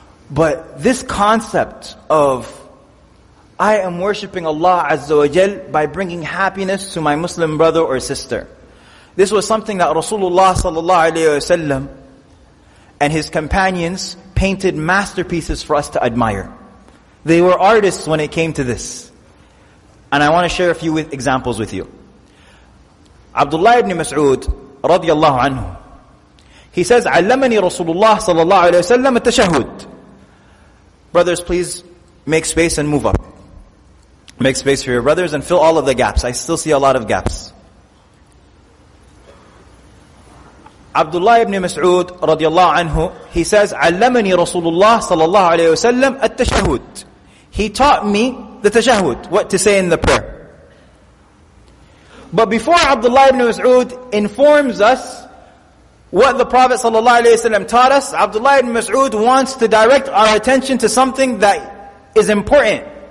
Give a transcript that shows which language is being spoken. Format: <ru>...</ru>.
<en>But this concept of I am worshipping Allah Azza wa Jal by bringing happiness to my Muslim brother or sister, this was something that Rasulullah sallallahu alayhi wa sallam and his companions painted masterpieces for us to admire. They were artists when it came to this. And I want to share a few examples with you.</en> <ar>Abdullah ibn Mas'ud radiallahu anhu,</ar> <en>he says,</en> <ar>عَلَّمَنِي رَسُولُ اللَّهِ صَلَى اللَّهُ عَلَيْهِ وَسَلَّمَ التَّشَهُدِ.</ar> <en>Brothers, please make space and move up. Make space for your brothers and fill all of the gaps. I still see a lot of gaps.</en> <ar>Abdullah ibn Mas'ud radiallahu anhu,</ar> <en>he says,</en> <ar>عَلَّمَنِي رَسُولُ اللَّهِ صَلَى اللَّهُ عَلَيْهِ وَسَلَّمَ التَّشَهُدِ.</ar> <en>He taught me the tashahud, what to say in the prayer. But before Abdullah ibn Mas'ud informs us what the Prophet sallallahu alaihi wasallam taught us, Abdullah ibn Mas'ud wants to direct our attention to something that is important.</en>